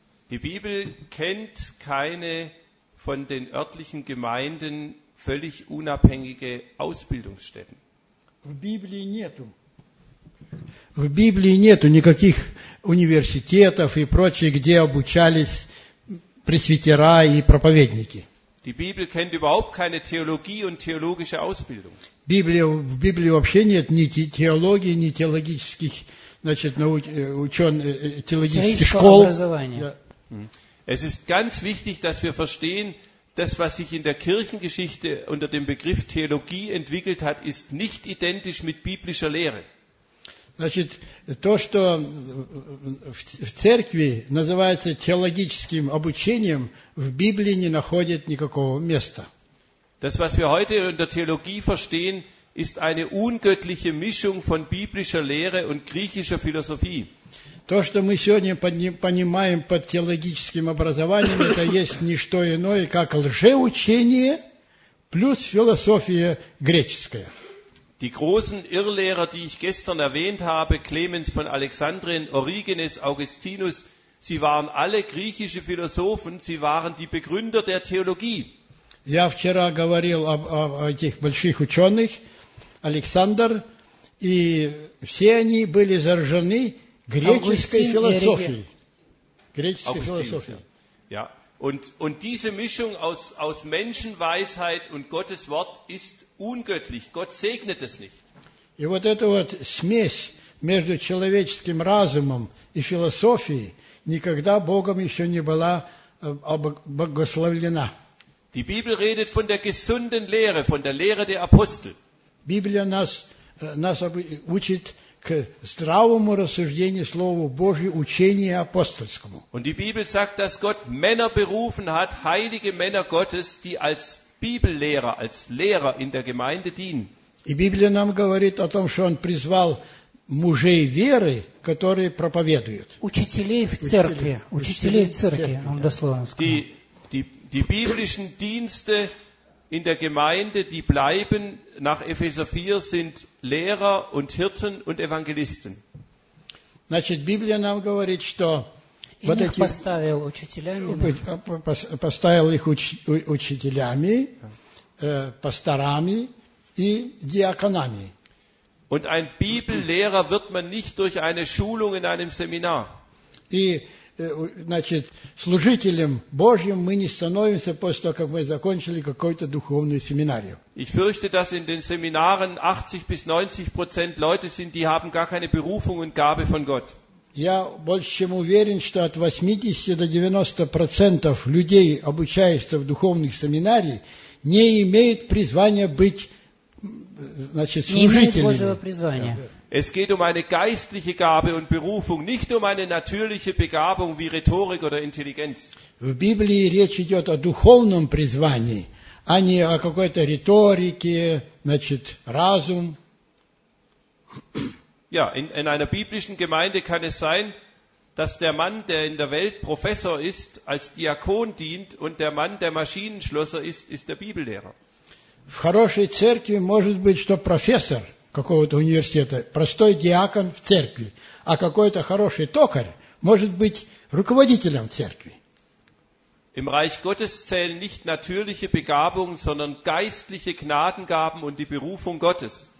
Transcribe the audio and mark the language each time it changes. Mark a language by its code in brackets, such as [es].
[de] Die Bibel kennt keine von den örtlichen Gemeinden völlig unabhängige Ausbildungsstätten. [ru] В Библии нету никаких университетов и прочее, где обучались пресвитера и проповедники. [de] Die Bibel kennt überhaupt keine Theologie und theologische Ausbildung. [ru] В Библии вообще нет ни теологии, ни теологических, значит, ученых, теологических школ. [de] Es ist ganz wichtig, dass wir verstehen, das, was sich in der Kirchengeschichte unter dem Begriff Theologie entwickelt hat, ist nicht identisch mit biblischer Lehre. [ru] Значит, то, что в церкви называется теологическим обучением, в Библии не находит никакого места. [de] Das, was wir heute unter Theologie verstehen, ist eine ungöttliche Mischung von biblischer Lehre und griechischer Philosophie. [ru] То, что мы сегодня понимаем под теологическим образованием, это есть не что иное, как лжеучение плюс философия греческая. [de] Die großen Irrlehrer, die ich gestern erwähnt habe, Clemens von Alexandrien, Origenes, Augustinus, sie waren alle griechische Philosophen, sie waren die Begründer der Theologie. [ru] Я вчера говорил об этих больших ученых, Александр, и все они были заражены греческой философией. Греческой философией. [de] Ja. Und diese Mischung aus Menschenweisheit und Gottes Wort ist ungöttlich. Gott segnet es nicht. [ru] И вот эта вот смесь между человеческим разумом и философией никогда Богом еще не была благословлена. [de] Die Bibel redet von der gesunden Lehre, von der Lehre der Apostel. [ru] Библия нас учит к здравому рассуждению Слову Божьему, учению апостольскому. [de] Und die Bibel sagt, dass Gott Männer berufen hat, heilige Männer Gottes, die als Bibellehrer, als Lehrer in der Gemeinde dienen. [ru] И Библия нам говорит о том, что Он призвал мужей веры, которые проповедуют. Учителей в церкви. Учителей в церкви, он дословно сказал. [de] Die biblischen Dienste in der Gemeinde, die bleiben nach Epheser 4, sind Lehrer und Hirten und Evangelisten. [ru] Значит, Библия нам говорит, что и вот их эти, поставил учителями. Поставил их учителями, пасторами и диаконами. [de] Und ein Bibellehrer wird man nicht durch eine Schulung in einem Seminar. [ru] И, значит, служителем Божьим мы не становимся после того, как мы закончили какой-то духовный семинарий. [de] Ich fürchte, dass in den Seminaren 80-90% Leute sind, die haben gar keine Berufung und Gabe von Gott. [ru] Я больше чем уверен, что от 80-90% людей, обучающихся в духовных семинариях, не имеют призвания быть, значит, служителями. Не имеют Божьего призвания. [de] Es geht um eine geistliche Gabe und Berufung, nicht um eine natürliche Begabung wie Rhetorik oder Intelligenz. [ru] В Библии речь идет о духовном призвании, а не о какой-то риторике, значит, разум. [de] Ja, in einer biblischen Gemeinde kann es sein, dass der Mann, der in der Welt Professor ist, als Diakon dient und der Mann, der Maschinenschlosser ist, ist der Bibellehrer. [ru] В хорошей церкви может быть, что профессор какого-то университета, простой диакон в церкви, а какой-то хороший токарь может быть руководителем церкви. [de] Im Reich Gottes zählen nicht natürliche Begabungen, sondern geistliche Gnadengaben und die Berufung Gottes.